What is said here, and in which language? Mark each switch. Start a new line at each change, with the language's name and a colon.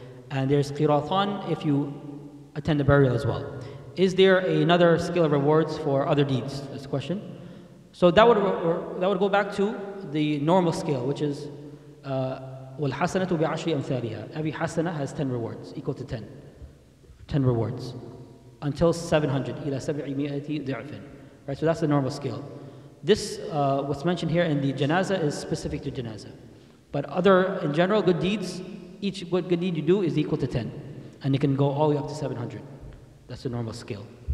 English: And there's qiratan if you attend the burial as well. Is there another scale of rewards for other deeds? That's the question. So that would go back to the normal scale, which is
Arabic: وَالْحَسَنَةُ بِعَشْرِ أَمْثَالِهَا.
English: Every hasana has 10 rewards, equal to 10. 10 rewards. Until 700,
Arabic: إِلَى سَبْعِ مِئَةِ ضِعْفٍ.
English: Right, so that's the normal scale. This, what's mentioned here in the janazah is specific to janazah. But other, in general, good deeds, each good deed you do is equal to 10. And it can go all the way up to 700. That's the normal scale.